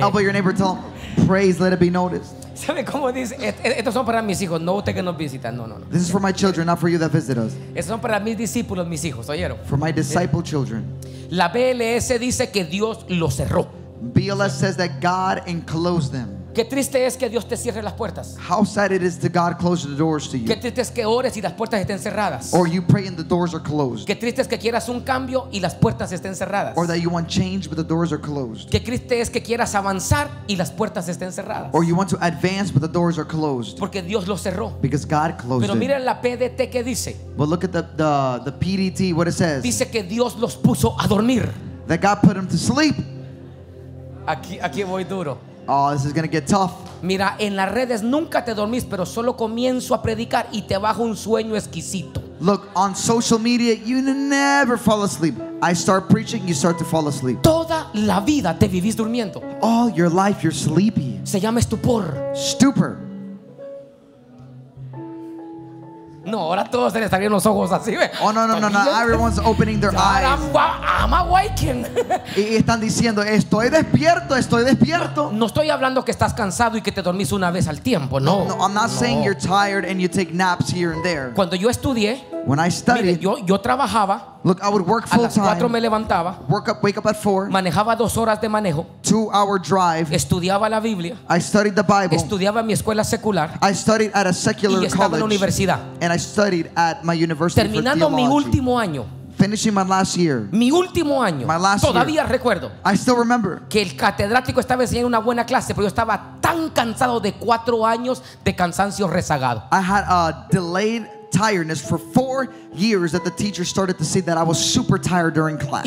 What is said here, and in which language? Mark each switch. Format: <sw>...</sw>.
<en>How about your neighbor, tell him, praise, let it be noticed.</en> <es>¿Sabe cómo dice? Estos son para mis hijos, no usted que nos visita. No.</es> <en>This is for my children, not for you that visit us.</en> <es>Estos son para mis discípulos, mis hijos, ¿oyeron?</es> <en>For my disciple children.</en> <es>La BLS dice que Dios los cerró.</es> <en>BLS says that God enclosed them.</en> <es>Qué triste es que Dios te cierre las puertas.</es> <en>How sad it is that God closes the doors to you.</en> <es>Qué triste es que ores y las puertas estén cerradas.</es> <en>Or you pray and the doors are closed.</en> <es>Qué triste es que quieras un cambio y las puertas estén cerradas.</es> <en>Or that you want change but the doors are closed.</en> <es>Qué triste es que quieras avanzar y las puertas estén cerradas.</es> <en>Or you want to advance but the doors are closed.</en> <es>Porque Dios lo cerró.</es> <en>Because God closed</en> <es>it. Pero mira la PDT que dice.</es> <en>But look at the PDT, what it says.</en> <es>Dice que Dios los puso a dormir.</es> <en>That God put them to sleep.</en> <es>Aquí voy duro.</es> <en>Oh, this is going to get tough.</en> <es>Mira, en las redes nunca te dormís, pero solo comienzo a predicar y te bajo un sueño exquisito.</es> <en>Look, on social media, you never fall asleep. I start preaching, you start to fall asleep.</en> <es>Toda la vida te vivís durmiendo.</es> <en>All your life, you're sleepy.</en> <es>Se llama estupor.</es> <en>Stupor.</en> <es>No, ahora todos se les abrieron los ojos así, ¿ve?</es> <en>Oh, no. Everyone's opening their eyes. I'm awakened.</en> <es>Y están diciendo, estoy despierto. No estoy hablando que estás cansado y que te dormís una vez al tiempo, no.</es> <en>No, I'm not saying you're tired and you take naps here and there.</en> <es>Cuando yo estudié,</es> <en>when I studied,</en> <es>mire, yo trabajaba.</es> <en>Look, I would work full</en> <es>time. A las 4 me levantaba.</es> <en>Wake up at 4.</en> <es>Manejaba 2 horas de manejo.</es> <en>2-hour drive.</en> <es>Estudiaba la Biblia.</es> <en>I studied the Bible.</en> <es>Estudiaba mi escuela secular.</es> <en>I studied at a secular college.</en> <es>Y estaba en la universidad.</es> <en>And I studied at my university.</en> <es>Terminando mi último año.</es> <en>Finishing my last year.</en> <es>Mi último año.</es> <en>My last</en> <es>todavía</es> <en>year.</en> <es>Recuerdo.</es> <en>I still remember.</en> <es>Que el catedrático estaba enseñando una buena clase, pero yo estaba tan cansado de 4 años de cansancio rezagado.</es> <en>I had a delayed tiredness for 4 years that the teacher started to see that I was super tired during class.</en>